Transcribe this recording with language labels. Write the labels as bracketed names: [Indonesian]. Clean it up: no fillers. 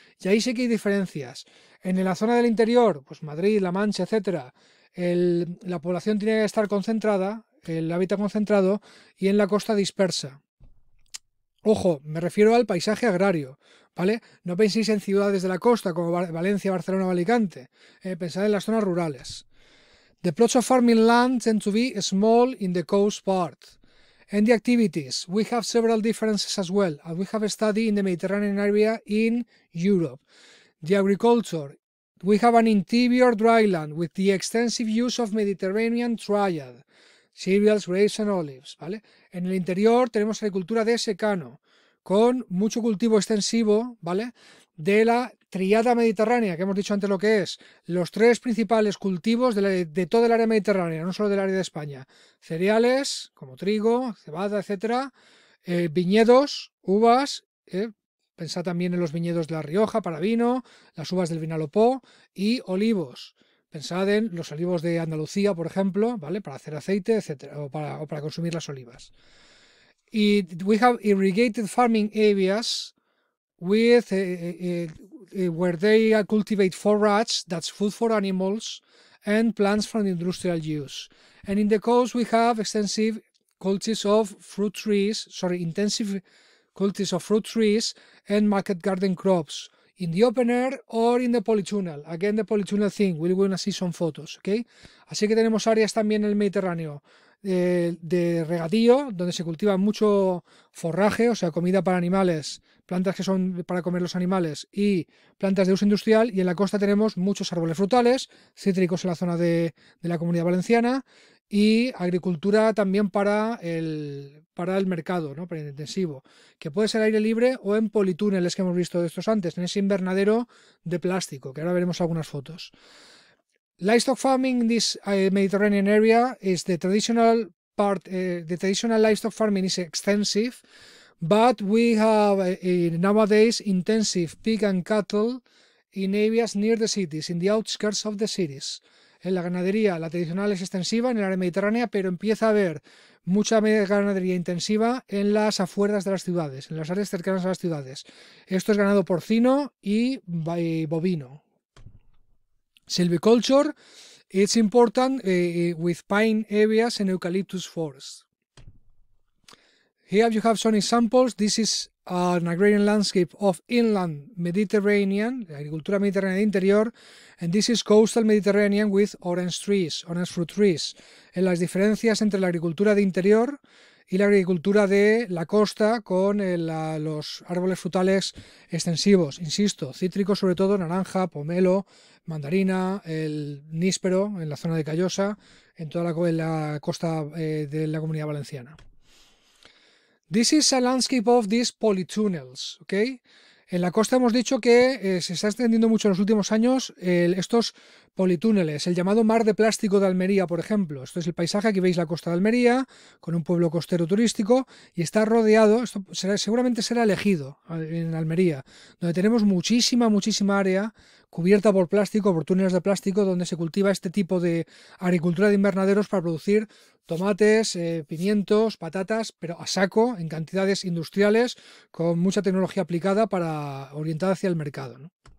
[Spanish] Y ahí sí que hay diferencias. En la zona del interior, pues Madrid, La Mancha, etcétera, la población tiene que estar concentrada, el hábitat concentrado, y en la costa dispersa. Ojo, me refiero al paisaje agrario, ¿vale? No penséis en ciudades de la costa como Valencia, Barcelona o Alicante. Pensad en las zonas rurales. [English] The plots of farming land tend to be small in the coast part. And the activities. We have several differences as well, as we have studied in the Mediterranean area in Europe. The agriculture. We have an interior dry land with the extensive use of Mediterranean triad. Cereals, grapes and olives. ¿Vale? [Spanish] En el interior tenemos agricultura de secano, con mucho cultivo extensivo, ¿vale? De la tríada mediterránea, que hemos dicho antes lo que es, los tres principales cultivos de toda el área mediterránea, no solo del área de España. Cereales, como trigo, cebada, etcétera, viñedos, uvas, pensad también en los viñedos de La Rioja para vino, las uvas del Vinalopó, y olivos. Pensad en los olivos de Andalucía, por ejemplo, ¿vale? Para hacer aceite, etcétera, o para consumir las olivas. [English] Y we have irrigated farming areas with where they cultivate forage, that's food for animals, and plants from industrial use. And in the coast we have extensive cultures of fruit trees, sorry, intensive cultures of fruit trees and market garden crops in the open air or in the polytunnel. Again, the polytunnel thing, we're going to see some photos, okay? [Spanish] Así que tenemos áreas también en el Mediterráneo de regadío, donde se cultiva mucho forraje, o sea, comida para animales, plantas que son para comer los animales y plantas de uso industrial, y en la costa tenemos muchos árboles frutales, cítricos en la zona de la Comunidad Valenciana, y agricultura también para el mercado, ¿no? Para el intensivo, que puede ser aire libre o en politúneles que hemos visto de estos antes, en ese invernadero de plástico, que ahora veremos algunas fotos. [English] Livestock farming in this Mediterranean area is the traditional part. The traditional livestock farming is extensive, but we have nowadays intensive pig and cattle in areas near the cities, in the outskirts of the cities. [Spanish] En la ganadería, la tradicional es extensiva en el área mediterránea, pero empieza a haber mucha ganadería intensiva en las afueras de las ciudades, en las áreas cercanas a las ciudades. Esto es ganado porcino y bovino. [English] Silviculture, it's important with pine areas and eucalyptus forests. Here you have some examples. This is an agrarian landscape of inland Mediterranean, [Spanish] agricultura mediterránea de interior, [English] and this is coastal Mediterranean with orange trees, orange fruit trees. [Spanish] En las diferencias entre la agricultura de interior y la agricultura de la costa con los árboles frutales extensivos, insisto, cítricos sobre todo, naranja, pomelo, mandarina, el níspero en la zona de Callosa, en toda la costa de la Comunidad Valenciana. [English] This is a landscape of these polytunnels, okay? [Spanish] En la costa hemos dicho que se está extendiendo mucho en los últimos años estos politúneles, el llamado mar de plástico de Almería, por ejemplo. Esto es el paisaje, aquí veis la costa de Almería, con un pueblo costero turístico, y está rodeado, esto será, seguramente será Elegido, en Almería, donde tenemos muchísima, muchísima área cubierta por plástico, por túneles de plástico, donde se cultiva este tipo de agricultura de invernaderos para producir tomates, pimientos, patatas, pero a saco, en cantidades industriales, con mucha tecnología aplicada para orientada hacia el mercado, ¿no?